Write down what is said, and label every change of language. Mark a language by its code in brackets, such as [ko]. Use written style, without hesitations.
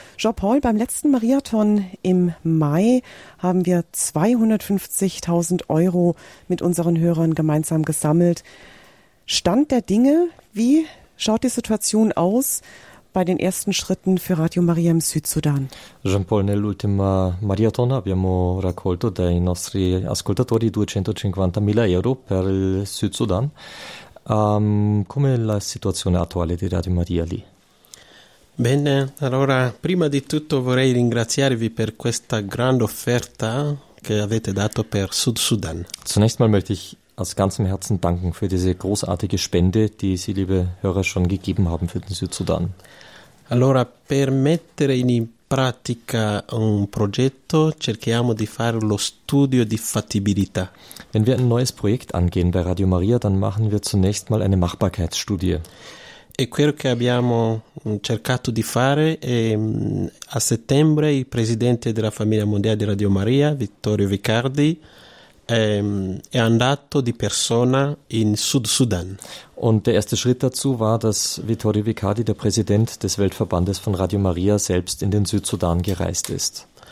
[de] Jean-Paul, beim letzten Mariathon im Mai haben wir 250.000 Euro mit unseren Hörern gemeinsam gesammelt. Stand der Dinge, wie schaut die Situation aus bei den ersten Schritten für Radio Maria im Südsudan? [it] Jean-Paul, nell'ultima Mariathon abbiamo raccolto dai nostri ascoltatori 250.000 euro per il Südsudan. Come è la situazione attuale di Radio Maria lì? Bene, allora prima di tutto vorrei ringraziarvi per questa grande offerta che avete dato per Sud Sudan. [de] Zunächst mal möchte ich aus ganzem Herzen danken für diese großartige Spende, die Sie, liebe Hörer, schon gegeben haben für den Südsudan. [it] Allora, per mettere in pratica un progetto, cerchiamo di fare lo studio di fattibilità. [de] Wenn wir ein neues Projekt angehen bei Radio Maria, dann machen wir zunächst mal eine Machbarkeitsstudie. [it] E quello che abbiamo cercato di fare è, a settembre il presidente della famiglia mondiale di Radio Maria, Vittorio Vicardi, è andato di persona in Sud Sudan. [de] Und der erste Schritt dazu war, dass Vittorio Vicardi, der Präsident des Weltverbandes von Radio Maria, selbst in den Südsudan gereist ist.